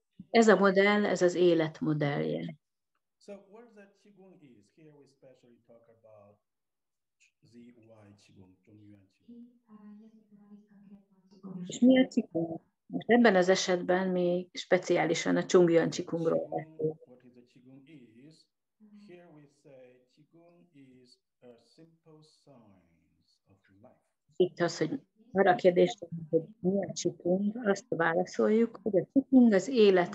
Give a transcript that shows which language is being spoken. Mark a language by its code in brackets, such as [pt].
[hu] Ez a modell, ez az élet modellje. [en] So what the qigong is, here we specially talk about ZY qigong, Zhongyuan qigong. [hu] És mi a qigong? Most ebben az esetben mi speciálisan a Zhongyuan qigongról beszélünk. [en] What is the qigong is? Here we say qigong is a simple science of life. [hu] Itt az, hogy arra a kérdést, hogy mi a qigong, azt válaszoljuk, hogy a qigong az élet